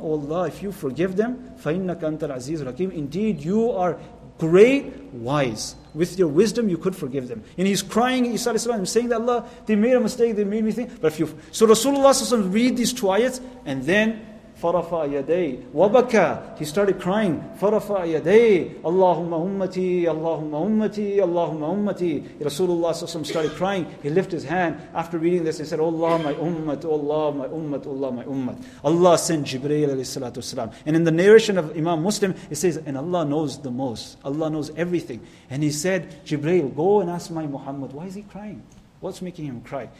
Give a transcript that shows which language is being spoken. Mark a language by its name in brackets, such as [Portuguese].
[English] O Allah, if you forgive them, [Arabic] فَإِنَّكَ أَنْتَ الْعَزِيزُ الْحَكِيمُ. [English] Indeed, you are great, wise. With your wisdom, you could forgive them. And he's crying, Isa alayhi salam, saying that, Allah, they made a mistake, they made me think. But if you, so Rasulullah s.a.w. read these two ayats, and then [Arabic] فرفع يدي وبكى. [English] He started crying. [Arabic] فرفع يدي اللهم أمتي اللهم أمتي اللهم أمتي. [English] Rasulullah [Arabic] صلى الله عليه وسلم [English] started crying. He lifted his hand after reading this. He said, Oh Allah, my ummat, Oh Allah, my ummat, Oh Allah, my ummat. Allah sent Jibreel alayhi salatu wasalam. And in the narration of Imam Muslim, it says, and Allah knows the most. Allah knows everything. And he said, Jibreel, go and ask my Muhammad, why is he crying? What's making him cry?